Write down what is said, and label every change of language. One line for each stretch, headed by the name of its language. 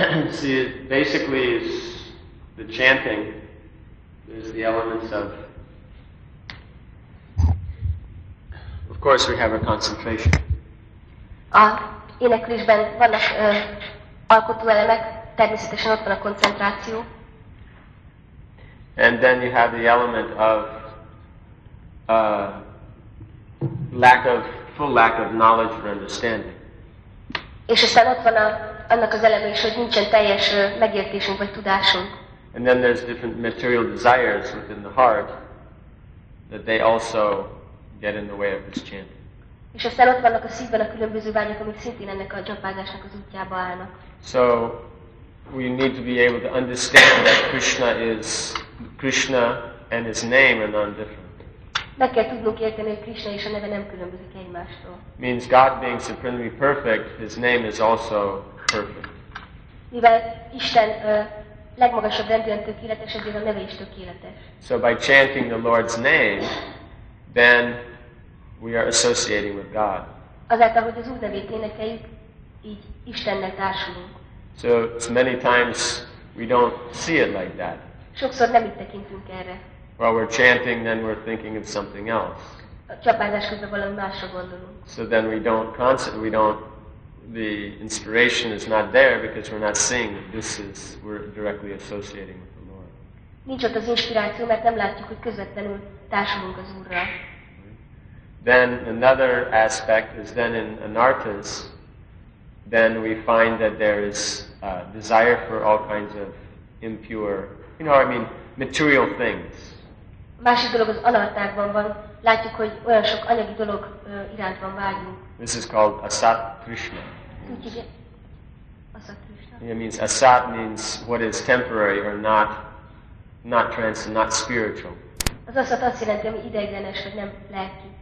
English: See, it basically is the chanting is the elements of course we have a concentration.
Hungarian: A éneklésben vannak alkotó elemek, természetesen ott van a koncentráció.
English: And then you have the element of full lack of knowledge or understanding.
Hungarian: És aztán ott van annak az eleme is, hogy nincsen teljes megértésünk vagy tudásunk.
English: And then there's different material desires within the heart that they also get in the way of this chanting.
Hungarian: És aztán ott vannak a szívben a különböző vágyak, amik szintén ennek a japázásnak az útjába állnak.
English: So we need to be able to understand that Krishna and his name are non-different.
Hungarian: Meg kell tudnunk érteni, hogy Krishna és a neve nem különbözik egymástól.
English: Means God being supremely perfect, his name is also perfect.
Hungarian: Mivel Isten legmagasabb rendűen tökéletes, ezért a neve is tökéletes.
English: So by chanting the Lord's name, then we are associating with God.
Hungarian: Azáltal, hogy az Úr nevét énekeljük, így Istennel társulunk.
English: So many times we don't see it like that.
Hungarian: Sokszor nem így tekintünk erre.
English: While we're chanting, then we're thinking of something else.
Hungarian: A csapázás közben valami másra gondolunk.
English: So then the inspiration is not there because we're not seeing that we're directly associating with the Lord.
Hungarian: Nincs ott az inspiráció, mert nem látjuk, hogy közvetlenül társulunk az Úrral.
English: Then another aspect is then in anarthas, then we find that there is desire for all kinds of impure, material things.
Hungarian: Másik dolog az anartákban van. Látjuk, hogy olyan sok anyagi dolog iránt van vágyunk.
English: This is called asat krishna.
Hungarian: Krishna.
English: It means asat means what is temporary or not transcendent, not spiritual.
Hungarian: Az asat azt jelenti, ami ideiglenes, vagy nem lelki.